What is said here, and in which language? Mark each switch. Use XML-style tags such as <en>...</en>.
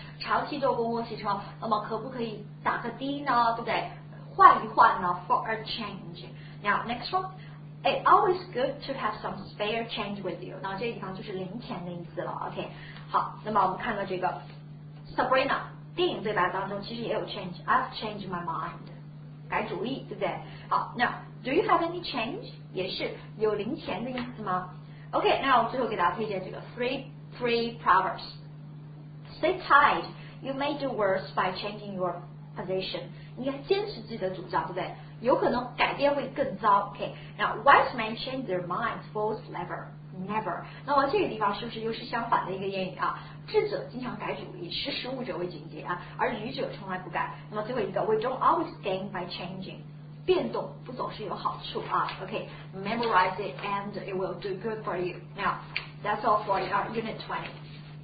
<zh>长期坐公共汽车，那么可不可以打个的呢？对不对？换一换呢</zh> <en>？For a change. Now, next one. It's always good to have some spare change with you.</en> <zh>那这地方就是零钱的意思了。 OK. 好，那么我们看到这个 Sabrina 电影对白当中其实也有 change.</zh> <en>I've changed my mind.</en> <zh>改主意，对不对？好</zh> <en>，Now. Do you have any change?</en> <zh>也是有零钱的意思吗？ OK， 那我最后给大家推荐这个 Three Proverbs.</zh> <en>Stay tight. You may do worse by changing your position.</en> <zh>你要坚持自己的主张，对不对？有可能改变会更糟。</zh> <en>OK， Now, wise men change their minds. Fools never. Never.</en> <zh>那么这个地方是不是又是相反的一个谚语啊？智者经常改主意，识时务者为俊杰啊，而愚者从来不改。那么最后一个</zh> <en>We don't always gain by changing.</en> <zh>变动不总是有好处啊。</zh> <en>OK, memorize it and it will do good for you. Now, that's all for our unit 20.</en>